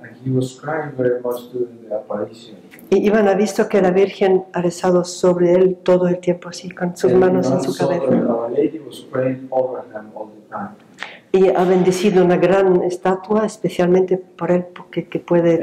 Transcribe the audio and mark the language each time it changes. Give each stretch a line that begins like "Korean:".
English: And he was crying very much during the apparition.
Spanish: Y Iván ha visto que la Virgen ha rezado sobre él todo el tiempo así, con sus
English: and
Spanish: manos en su cabeza.
English: Lady was praying over him all the time.
Spanish: Y ha bendecido una gran estatua, especialmente por él, porque que puede